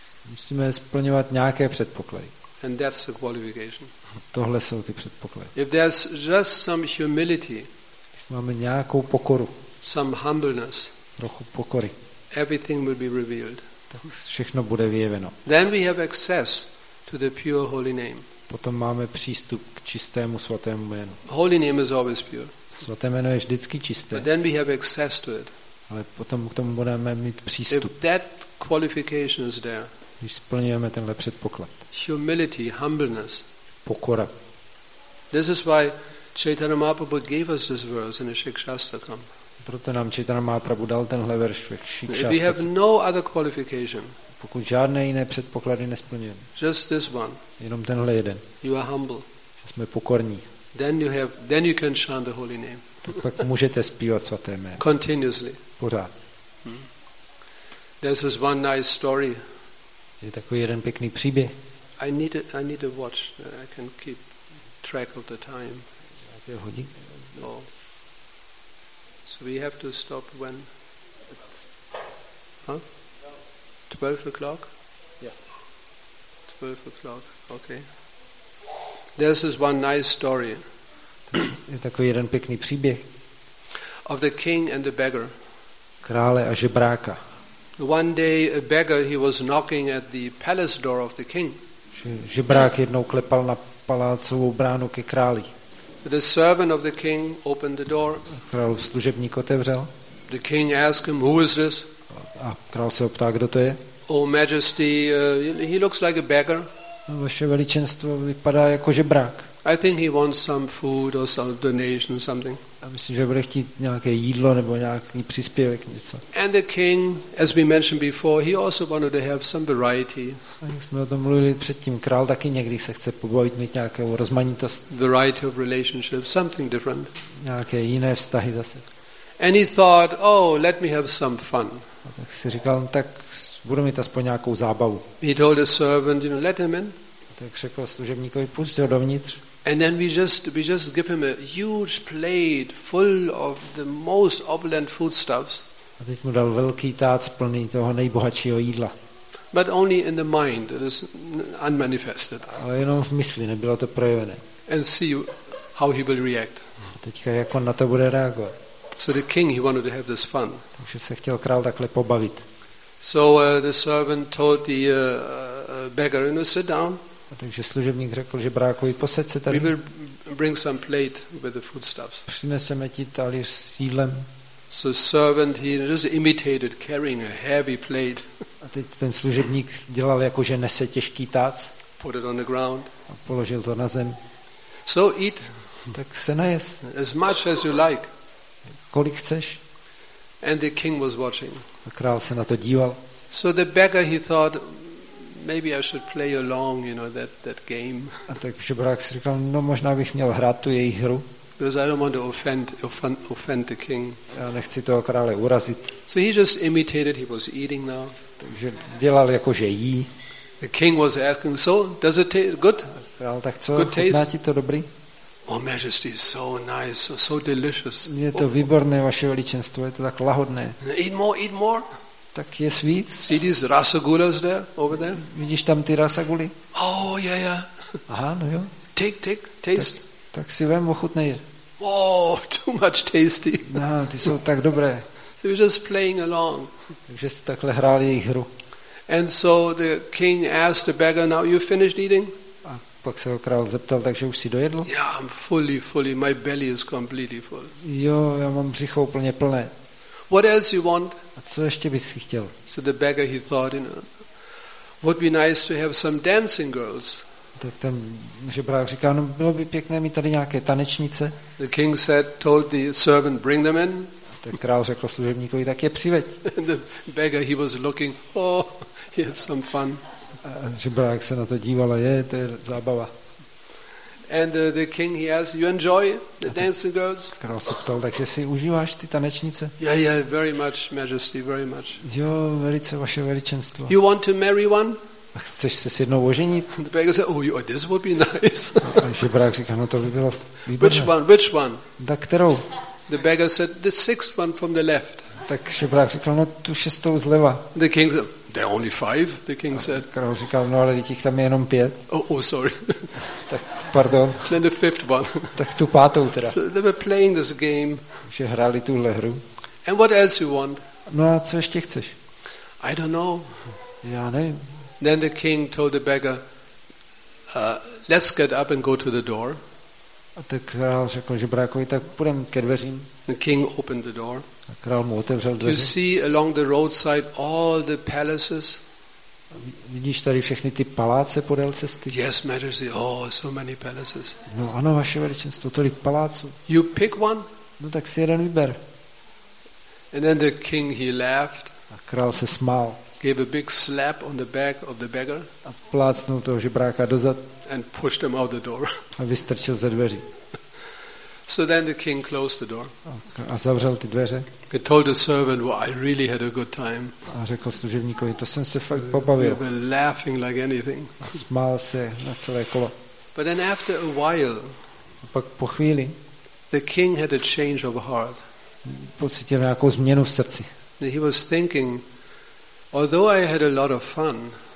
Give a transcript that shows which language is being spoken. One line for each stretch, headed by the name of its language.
Czech: Musíme splňovat nějaké předpoklady.
English: And that's the qualification.
Czech: Tohle jsou ty předpoklady.
English: If there's just some humility,
Czech: máme nějakou pokoru,
English: some humbleness,
Czech: trochu pokory,
English: everything will be revealed.
Czech: Tak všechno bude vyjeveno.
English: Then we have access to the pure holy name.
Czech: Potom máme přístup k čistému svatému jménu.
English: Holy name is always pure.
Czech: Svaté jméno je vždycky čisté.
English: But then we have access to it.
Czech: Ale potom k tomu budeme mít přístup.
English: If that qualification is there.
Czech: Když splníme tenhle předpoklad.
English: Humility, humbleness.
Czech: Pokora.
English: This is why Chaitanya Mahaprabhu gave us this verse in the Shikshastakam.
Czech: Proto nám Chaitanya Mahaprabhu dal tenhle verš ve Shikshastakam.
English: If we have no other qualification,
Czech: pokud žádné jiné předpoklady nesplňujeme,
English: just this one,
Czech: jenom tenhle jeden,
English: you are humble,
Czech: že jsme pokorní,
English: then you can chant the holy name.
Czech: Tak pak můžete zpívat svaté jméno.
English: Continuously.
Czech: Pořád.
English: There's this one nice story.
Czech: Je takový jeden pěkný příběh.
English: I need a watch that I can keep track of the time.
Czech: Jaké hodí?
English: No. So we have to stop when? Huh? 12 o'clock? Yeah. 12 o'clock, okay. This is one nice story.
Czech: Je takový jeden pěkný příběh.
English: Of the king and the beggar.
Czech: Krále a žebráka.
English: One day a beggar, he was knocking at the palace door of the king.
Czech: Žebrák jednou klepal na palácovou bránu ke králi.
English: The servant of the king opened the door.
Czech: Král služebník otevřel.
English: The king asked him, who is this?
Czech: A král se ho ptá, kdo to je?
English: Oh majesty, he looks like a beggar.
Czech: Vaše veličenstvo vypadá jako žebrák.
English: I think he wants some food or some donation or something.
Czech: A myslím, že bude chtít nějaké jídlo nebo nějaký příspěvek něco.
English: And the king, as we mentioned before, he also wanted to have some variety.
Czech: A jak jsme o tom mluvili předtím, král taky někdy se chce pobavit, mít nějakou rozmanitost.
English: Variety of relationships, something different.
Czech: Nějaké jiné vztahy zase.
English: And he thought, oh, let me have some fun.
Czech: Tak si říkal, no, tak budu mít aspoň nějakou zábavu.
English: He told the servant, you know, let him in.
Czech: Tak řekl služebníkovi, pusť ho dovnitř.
English: And then we just give him a huge plate full of the most opulent foodstuffs.
Czech: A teď mu dal velký tác plný toho nejbohatšího jídla.
English: But only in the mind, it is unmanifested.
Czech: Ale jenom v mysli, nebylo to projevené.
English: And see how he will react.
Czech: A teďka jak on na to bude reagovat.
English: So the king, he wanted to have this fun.
Czech: Takže se chtěl král takhle pobavit.
English: So the servant told the beggar, you know, sit down.
Czech: A takže služebník řekl, že brákovi, posaď se tady.
English: We will bring some plate with the foodstuffs.
Czech: Přineseme ti talíř s jídlem.
English: So servant, he just imitated carrying a heavy plate.
Czech: A teď ten služebník dělal jako, že nese těžký tác.
English: Put it on the ground.
Czech: A položil to na zem.
English: So eat.
Czech: Tak se najes.
English: As much as you like.
Czech: Kolik chceš?
English: And the king was watching.
Czech: A král se na to díval.
English: So the beggar, he thought, maybe I should play along, you know, that game.
Czech: A tak žebrák si říkal, no možná bych měl hrát tu její hru.
English: Because I don't want to offend the king.
Czech: Já nechci toho krále urazit.
English: So he just imitated, he was eating now.
Czech: Takže dělal jako, že jí.
English: The king was asking, so does it taste good?
Czech: Král, tak co,
English: good taste?
Czech: Chutná ti to dobrý?
English: Oh, Majesty, is so nice, so delicious.
Czech: Je to výborné, vaše veličenstvo, je to tak lahodné.
English: Eat more.
Czech: Tak je svíc.
English: See these rasagulas there, over there?
Czech: Vidíš tam ty rasaguly?
English: Oh, yeah.
Czech: Aha, no jo.
English: Take, taste.
Czech: Tak si vem, ochutnej.
English: Oh, too much tasty.
Czech: No, ty jsou tak dobré.
English: So we're just playing along.
Czech: Takže jsi takhle hrál jejich hru.
English: And so the king asked the beggar, now you finished eating?
Czech: Pak se ho král zeptal, takže už si dojedl?
English: Yeah, I'm fully, my belly is completely full.
Czech: Jo, já mám břicho úplně plné.
English: What else you want?
Czech: A co ještě bys chtěl?
English: So the beggar, he thought, you know, would be nice to have some dancing girls.
Czech: Tak ten žebrák říká, no bylo by pěkné mít tady nějaké tanečnice.
English: The king said, told the servant, bring them in.
Czech: Ten král řekl služebníkovi, tak je přiveď.
English: The beggar, he was looking, oh, he had some fun.
Czech: Žebrák se na to díval, je, to je zábava.
English: And the king, he asked, you enjoy the dancing girls?
Czech: Král se ptal, takže si užíváš ty tanečnice?
English: Yeah, very much, Majesty, very much.
Czech: Jo, velice, vaše veličenstvo.
English: You want to marry one?
Czech: A chceš se s jednou oženit?
English: The beggar said, oh, this would be nice.
Czech: A žebrák říká, no to by bylo výborné.
English: Which one?
Czech: Da kterou?
English: The beggar said, the sixth one from the left.
Czech: Tak žebrák říkal, no tu šestou zleva.
English: The king said, there are only five, the king said.
Czech: Král říkal, no ale těch tam je jenom pět.
English: Oh, sorry.
Czech: Tak pardon.
English: Then the fifth one.
Czech: Tak tu pátou teda.
English: So they were playing this game.
Czech: Že hráli tuhle hru.
English: And what else you want?
Czech: No a co ještě chceš?
English: I don't know.
Czech: Já nevím.
English: Then the king told the beggar, let's get up and go to the door.
Czech: A tak král řekl žebrákovi, tak půjdeme ke dveřím.
English: The king opened the door.
Czech: A král mu otevřel dveře.
English: You see along the roadside all the palaces.
Czech: Vidíš tady všechny ty paláce podél cesty?
English: Yes, Majesty, oh, so many palaces.
Czech: No ano, vaše veličenstvo, tolik paláců.
English: You pick one.
Czech: No tak si jeden vyber.
English: And then the king, he laughed.
Czech: A král se smál.
English: Gave a big slap on the back of the beggar.
Czech: A plácnul toho žebráka dozad.
English: And pushed him out the door.
Czech: A vystrčil ze dveří.
English: So then the king closed the door.
Czech: A zavřel ty dveře.
English: He told the servant, "Well, I really had a good time."
Czech: A řekl služebníkovi, to jsem se fakt pobavil.
English: We were laughing like anything.
Czech: A smál se na celé kolo.
English: But then after a while,
Czech: a pak po chvíli,
English: the king had a change of heart.
Czech: Pocítil nějakou změnu v srdci.
English: He was thinking, although I had a lot of fun,